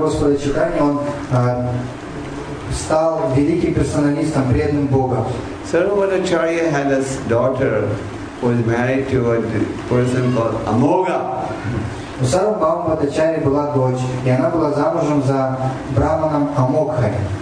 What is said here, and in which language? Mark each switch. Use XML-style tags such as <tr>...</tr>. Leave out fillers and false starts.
<ru>Господа Читания, он стал великим персоналистом, преданным Богом.</ru> <en>Sarvamavacharya had a daughter who was married to a person called Amogha.</en> <ru>У Сарвабхаума Бхаттачарьи была дочь, и она была замужем за браманом Амогхой.</ru>